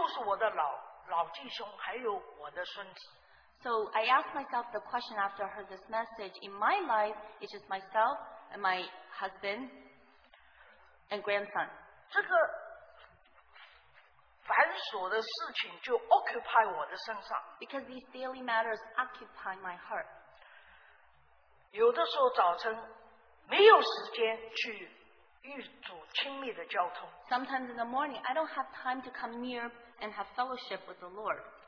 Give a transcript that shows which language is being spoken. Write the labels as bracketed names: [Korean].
[Chinese] 我一听这个信息，我说我反问自己，我的生命就是我的老弟兄，还有我的孙子。 [English] So I asked myself the question after I heard this message. In my life, it's just myself and my husband and grandson. [Chinese] 这个繁琐的事情就 occupy 我的身上。 [English] Because these daily matters occupy my heart. [Chinese] 有的时候早晨没有时间去与主亲密的交通。 [English] Sometimes in the morning, I don't have time to come near and have fellowship with the Lord.